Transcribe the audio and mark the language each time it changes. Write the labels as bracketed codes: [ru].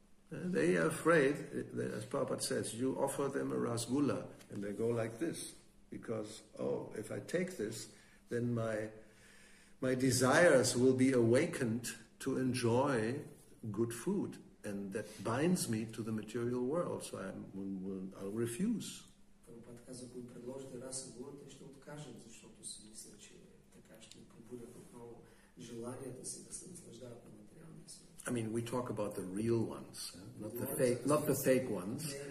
[en] They are afraid, as Prabhupada says, you offer them a rasgulla, and they go like this, because, oh, if I take this, then my desires will be awakened to enjoy good food, and that binds me to the material world, so I'll refuse. [bg] Казва, ако им предложите разговор, те ще откажат, защото си мисля, че така ще пробудят отново желанията си да се наслаждават на материалния свят. [en] I mean, we talk about the real ones, not the fake ones.